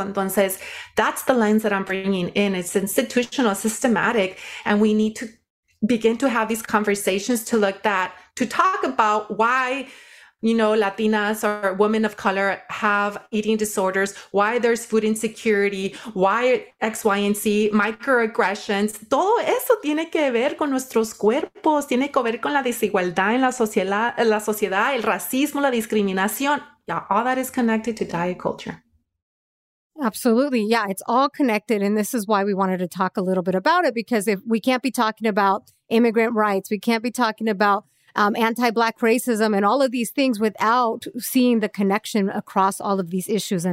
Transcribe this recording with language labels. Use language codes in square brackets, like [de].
[es] Entonces, [en] that's the lens that I'm bringing in. It's institutional, systematic, and we need to begin to have these conversations to look at to talk about why, you know, Latinas or women of color have eating disorders, why there's food insecurity, why X, Y, and Z, microaggressions. [es] Todo eso tiene que ver con nuestros cuerpos, tiene que ver con la desigualdad en la sociedad, el racismo, la discriminación. [en] Yeah, all that is connected to diet culture. Absolutely. Yeah, it's all connected. And this is why we wanted to talk a little bit about it, because if we can't be talking about immigrant rights, we can't be talking about anti-Black racism and all of these things without seeing the connection across all of these issues.